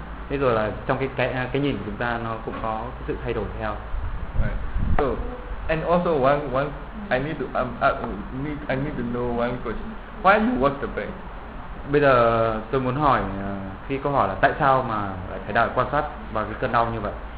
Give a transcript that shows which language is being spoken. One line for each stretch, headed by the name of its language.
Vietnamese: Thế rồi là trong cái nhìn của chúng ta nó cũng có cái sự thay đổi theo.
English: Right. So and also one I need to know one question. Why you watch the pain?
Vietnamese: Bây giờ tôi muốn hỏi khi câu hỏi là tại sao mà lại phải đòi quan sát vào cái cơn đau như vậy?